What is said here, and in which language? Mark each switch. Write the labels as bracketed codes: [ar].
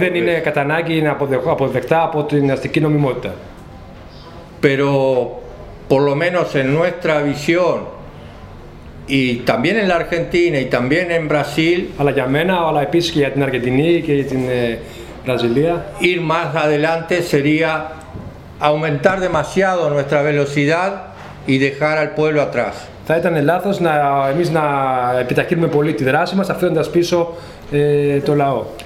[el] Δεν είναι κατά ανάγκη να αποδεχτά από την αστική νομιμότητα. [es] Pero por lo menos en nuestra visión y también en la Argentina y también en Brasil, [el] αλλά για μένα, αλλά επίσης και για την Αργεντινή και για την Βραζιλία, [es] ir más adelante sería aumentar demasiado nuestra velocidad y dejar al pueblo atrás. [el] Θα ήταν λάθος να εμείς να επιταχύνουμε πολύ τη δράση μας αφήνοντας πίσω το λαό.